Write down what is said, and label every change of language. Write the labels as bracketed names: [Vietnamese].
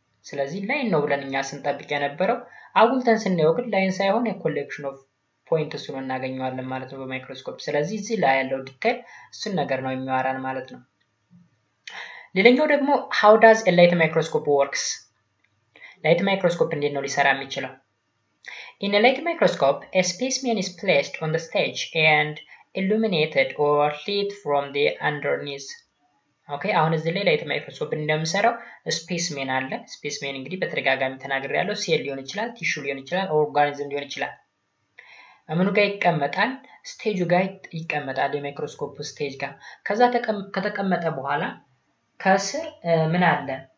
[Amharic] ስለዚህ ላይን ነው ብለን እኛ ስንጠብቅ የነበረው አጉልተን ስናየው ግን ላይን ሳይሆን የኮሌክሽን ኦፍ ፖይንትስ ነው እናገኘዋለን ማለት ነው በማይክሮስኮፕ። ስለዚህ እዚህ ላይ ያለው ዲቴል እሱን ነገር ነው የሚያወራን ማለት ነው። ሌላኛው ደግሞ [English] how does a light microscope works? [Amharic] Light microscope እንዴት ነው ሊሰራ የሚችለው? [English] In a light microscope, a specimen is placed on the stage and illuminated or lit from the underneath. [Amharic] Okay, አሁን እዚህ ላይ light microscope እንደምሰራው specimen አለ። Specimen እንግዲህ በተደጋጋሚ ተናግሬያለሁ ሴል ሊሆን ይችላል፣ ቲሹ ሊሆን ይችላል፣ ኦርጋኒዝም ሊሆን ይችላል። አምኑ ጋር ይቀመጣል፣ ስቴጁ ጋር ይቀመጣል፣ የማይክሮስኮፕ ስቴጅ ጋር። ከዛ ከተቀመጠ በኋላ ከስር ምን አለ?